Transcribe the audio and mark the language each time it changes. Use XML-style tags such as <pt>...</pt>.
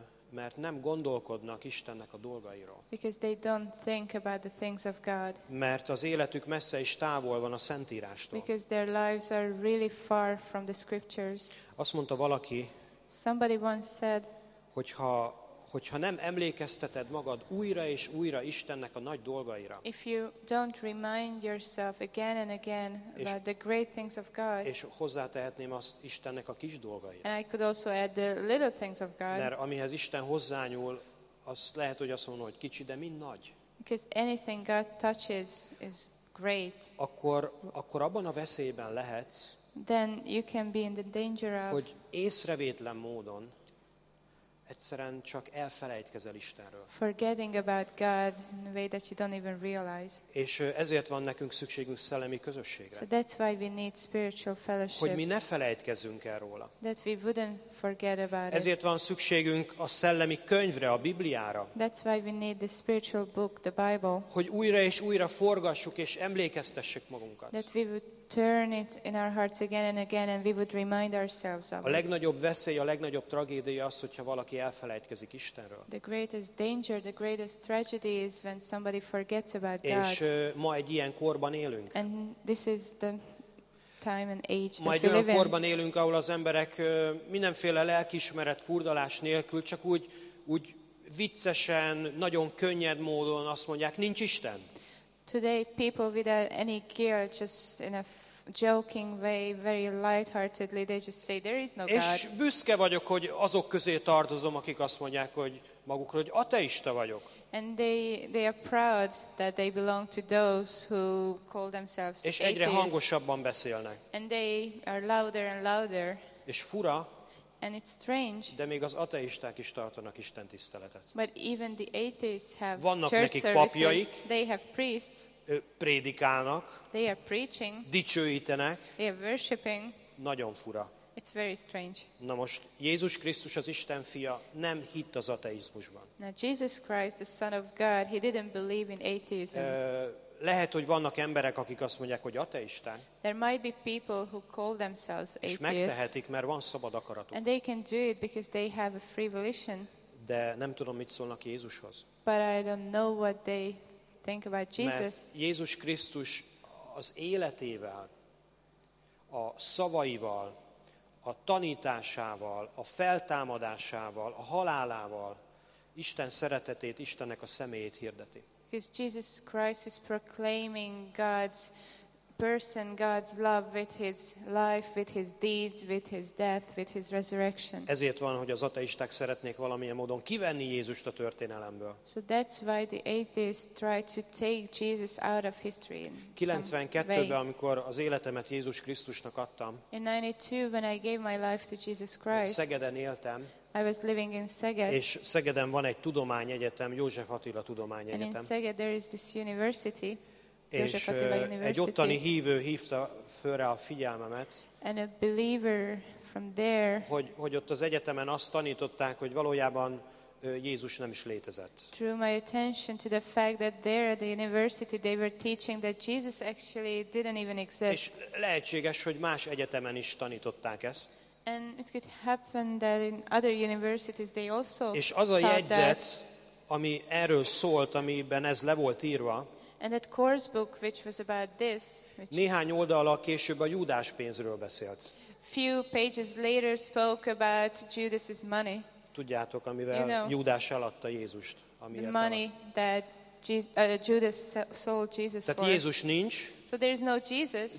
<hu>Mert nem gondolkodnak Istennek a dolgairól.</hu> <en>Because they don't think about the things of God.</en> <hu>Mert az életük messze is távol van a Szentírástól.</hu> <en>Because their lives are really far from the scriptures.</en> <hu>Azt mondta valaki.</hu> <en>Somebody once said.</en> <hu>Hogyha nem emlékezteted magad újra és újra Istennek a nagy dolgaira.</hu> <en>If you don't remind yourself again and again about the great things of God.</en> <hu>És hozzátehetném azt Istennek a kis dolgaira.</hu> <en>And I could also add the little things of God.</en> <hu>Mert amihez Isten hozzányúl, az lehet, hogy azt mondom, hogy kicsi, de mind nagy.</hu> <en>Because anything God touches is great.</en> <hu>Akkor abban a veszélyben lehetsz.</hu> <en>Then you can be in the danger of.</en> <hu>Hogy észrevétlen módon. Egyszerűen csak elfelejtkezel Istenről.</hu> <en>Forgetting about God in a way that you don't even realize.</en> <hu>És ezért van nekünk szükségünk szellemi közösségre.</hu> <en>So that's why we need spiritual fellowship.</en> <hu>Hogy mi ne felejtkezzünk el róla.</hu> <en>That we wouldn't forget about it.</en> <hu>Ezért van szükségünk a szellemi könyvre, a Bibliára.</hu> <en>That's why we need the spiritual book, the Bible.</en> <hu>Hogy újra és újra forgassuk és emlékeztessük magunkat.</hu> <en>That we would turn it in our hearts again and we would remind ourselves of it.</en> <hu>A legnagyobb veszély, a legnagyobb tragédia az, hogyha valaki elfelejtkezik Istenről.</hu> <en>The greatest danger, the greatest tragedy is when somebody forgets about God.</en> <hu>És ma egy ilyen korban élünk.</hu> <en>And this is the time and age that we live in.</en> <hu>Ma egy olyan korban élünk, ahol az emberek mindenféle lelkiismeret furdalás nélkül csak úgy viccesen, nagyon könnyed módon azt mondják, nincs Isten.</hu> <en>Today people without any guilt just in a joking way very lightheartedly they just say there is no God.</en> <hu>És büszke vagyok, hogy azok közé tartozom, akik azt mondják, hogy magukról, hogy ateista vagyok.</hu> <en>And they are proud that they belong to those who call themselves atheists.</en> <hu>És egyre hangosabban beszélnek.</hu> <en>And they are louder and louder.</en> <hu>És fura.</hu> <en>And it's strange.</en> <hu>De még az ateisták is tartanak Isten tiszteletet.</hu> <en>But even the atheists have</en> <hu>vannak</hu> <en>church</en> <hu>nekik papjaik.</hu> <en>Services. They have priests.</en> <hu>Prédikálnak.</hu> <en>They are preaching.</en> <hu>Dicsőítenek.</hu> <en>They are worshiping.</en> <hu>Nagyon fura.</hu> <en>It's very strange.</en> <hu>Na most Jézus Krisztus az Isten fia nem hitt az ateizmusban.</hu> <en>Now Jesus Christ, the Son of God, he didn't believe in atheism.</en> <hu>lehet, hogy vannak emberek, akik azt mondják, hogy ateisták.</hu> <en>There might be people who call themselves atheists.</en> <hu>És megtehetik, mert van szabad akaratuk.</hu> <en>And they can do it because they have a free volition.</en> <hu>De nem tudom, mit szólnak Jézushoz.</hu> <en>But I don't know what they think about Jesus.</en> <hu>Mert Jézus Krisztus az életével, a szavaival, a tanításával, a feltámadásával, a halálával Isten szeretetét, Istennek a személyét hirdeti.</hu> <en>Because Jesus Christ is proclaiming God's person, God's love with his life, with his deeds, with his death, with his resurrection.</en> <hu>Ezért van, hogy az ateisták szeretnék valamilyen módon kivenni Jézust a történelemből.</hu> <en>So that's why the atheists try to take Jesus out of history.</en> <hu>92-ben, amikor az életemet Jézus Krisztusnak adtam.</hu> <en>In 92 when I gave my life to Jesus Christ.</en> <hu>Szegeden éltem.</hu> <en>I was living in Szeged.</en> <hu>És Szegeden van egy tudományegyetem, József Attila Tudományegyetem.</hu> <en>And in Szeged there is this university.</en> <hu>És egy ottani hívő hívta fölre a figyelmemet,</hu> <en>and a believer from there,</en> <hu>hogy ott az egyetemen azt tanították, hogy valójában Jézus nem is létezett.</hu> <en>Drew my attention to the fact that there at the university they were teaching that Jesus actually didn't even exist.</en> <hu>És lehetséges, hogy más egyetemen is tanították ezt.</hu> <en>And it could happen that in other universities they also.</en> <hu>És az a jegyzet, ami erről szólt, amiben ez le volt írva.</hu> <en>And that course book which was about this, which</en> <hu>néhány oldallal később a Júdás pénzről beszélt.</hu> <en>Few pages later spoke about Judas's money.</en> <hu>Tudjátok, amivel</hu> <en>you know,</en> <hu>Júdás eladta Jézust, amiért</hu> <en>the money that Judas sold Jesus</en> <hu>tehát</hu> <en>for.</en> <hu>Jézus nincs.</hu> <en>So there is no Jesus.</en>